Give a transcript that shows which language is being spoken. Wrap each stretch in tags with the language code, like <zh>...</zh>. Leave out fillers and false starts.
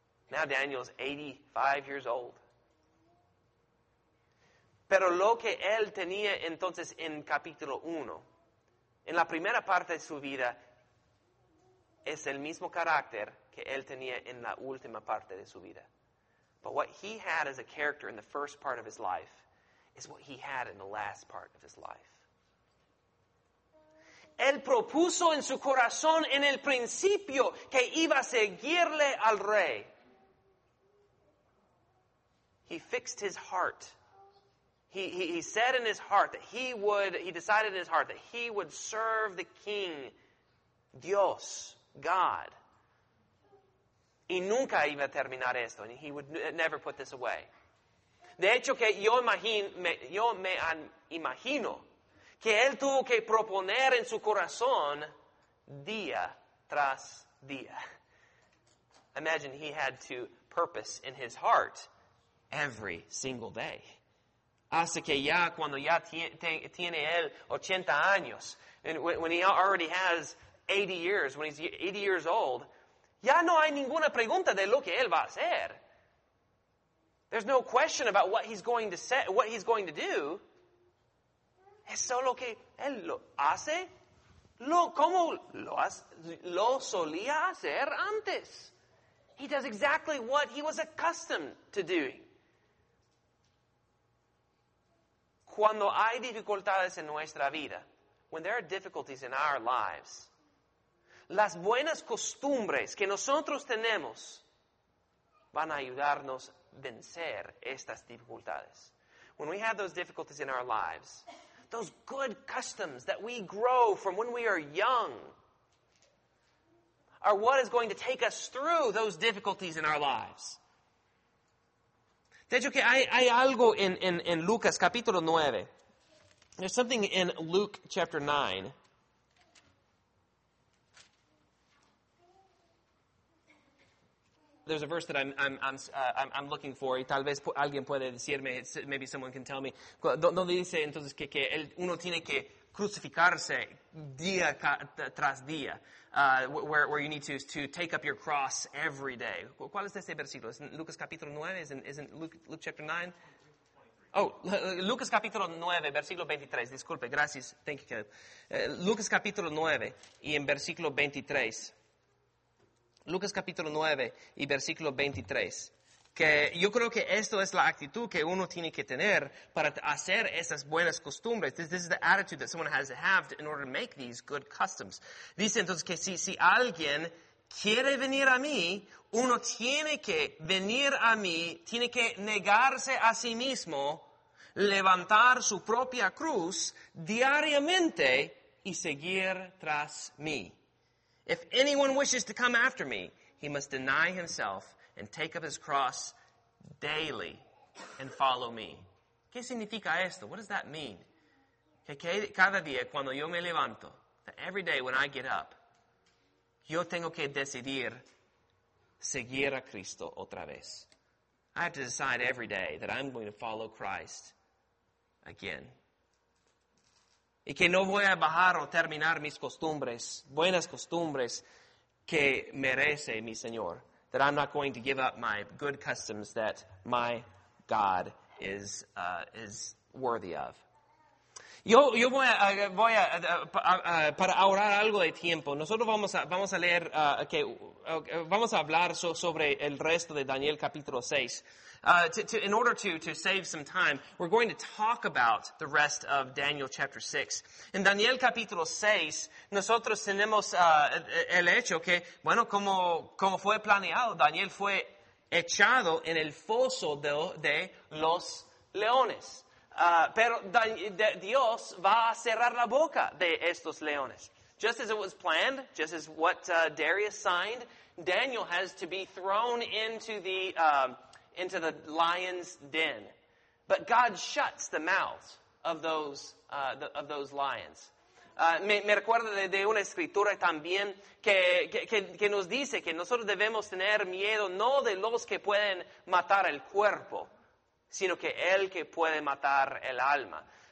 <en>Now Daniel's 85 years old.</en> <es>Pero lo que él tenía entonces en capítulo 1, en la primera parte de su vida, es el mismo carácter que él tenía en la última parte de su vida.</es> <en>But what he had as a character in the first part of his life is what he had in the last part of his life.</en> <es>Él propuso en su corazón en el principio que iba a seguirle al rey.</es> <en>He fixed his heart. He said in his heart that he decided in his heart that he would serve the king, Dios, God.</en> <es>Y nunca iba a terminar esto.</es> <en>And he would never put this away.</en> <es>De hecho, que yo me imagino que él tuvo que proponer en su corazón día tras día.</es> <en>Imagine he had to purpose in his heart every single day.</en> <es>Hasta que ya, cuando ya tiene él 80 años,</es> <en>and when he already has 80 years, when he's 80 years old,</en> <es>ya no hay ninguna pregunta de lo que él va a hacer.</es> <en>There's no question about what he's going to do.</en> <es>Es solo que él lo hace como lo solía hacer antes.</es> <en>He does exactly what he was accustomed to doing.</en> <es>Cuando hay dificultades en nuestra vida,</es> <en>when there are difficulties in our lives,</en> <es>las buenas costumbres que nosotros tenemos van a ayudarnos a vencer estas dificultades.</es> <en>When we have those difficulties in our lives, those good customs that we grow from when we are young are what is going to take us through those difficulties in our lives.</en> <es>De hecho, que hay algo en Lucas capítulo 9.</es> <en>There's something in Luke chapter 9. There's a verse that I'm looking for,</en> <es>y tal vez alguien puede decirme,</es> <en>maybe someone can tell me,</en> <es>donde dice entonces que uno tiene que crucificarse día tras día,</es> <en>where you need to take up your cross every day.</en> <es>¿Cuál es este versículo? ¿Es en Lucas capítulo 9? ¿Es en Luke chapter 9? Oh, Lucas capítulo 9, versículo 23. Disculpe, gracias.</es> <en>Thank you, Caleb.</en> <es>Lucas capítulo 9 y en versículo 23. Lucas capítulo 9 y versículo 23. Que yo creo que esto es la actitud que uno tiene que tener para hacer esas buenas costumbres.</es> <en>This is the attitude that someone has to have in order to make these good customs.</en> <es>Dice entonces que si alguien quiere venir a mí, uno tiene que venir a mí, tiene que negarse a sí mismo, levantar su propia cruz diariamente y seguir tras mí.</es> <en>If anyone wishes to come after me, he must deny himself and take up his cross daily and follow me.</en> <es>¿Qué significa esto?</es> <en>What does that mean?</en> <es>Que cada día cuando yo me levanto,</es> <en>that every day when I get up,</en> <es>yo tengo que decidir seguir a Cristo otra vez.</es> <en>I have to decide every day that I'm going to follow Christ again.</en> <es>Y que no voy a bajar o terminar mis costumbres, buenas costumbres que merece mi Señor.</es> <en>That I'm not going to give up my good customs that my God is worthy of.</en> <es>Yo voy a para ahorrar algo de tiempo. Nosotros vamos a leer que vamos a hablar sobre el resto de Daniel capítulo 6.</es> <en>In order to save some time, we're going to talk about the rest of Daniel chapter 6.</en> <es>En Daniel capítulo 6, nosotros tenemos el hecho que, bueno, como fue planeado, Daniel fue echado en el foso de los leones. Pero Dios va a cerrar la boca de estos leones.</es> <en>Just as it was planned, just as what Darius signed, Daniel has to be thrown into the lion's den. But God shuts the mouths of those lions.</en> <es>Me recuerda de una escritura también que nos dice que nosotros debemos tener miedo no de los que pueden matar el cuerpo, sino que el que puede matar el alma.</es>